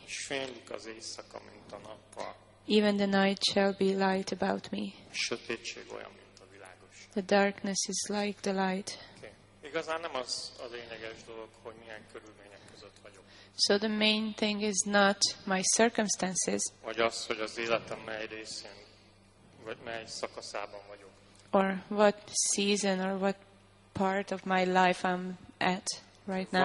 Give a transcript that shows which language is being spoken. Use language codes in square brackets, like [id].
[hu] Fénylik az éjszaka, mint a nappal. [en] Even the night shall be light about me. [hu] A sötétség olyan, mint a világos. [en] The darkness is like the light. Okay. [hu] Igazán nem az a lényeges dolog, hogy milyen körülmények között vagyok. [en] So the main thing is not my circumstances. [hu] Vagy az, hogy az életem mely részén vagy mely szakaszában vagyok. [en] Or what season or what part of my life I'm at right now.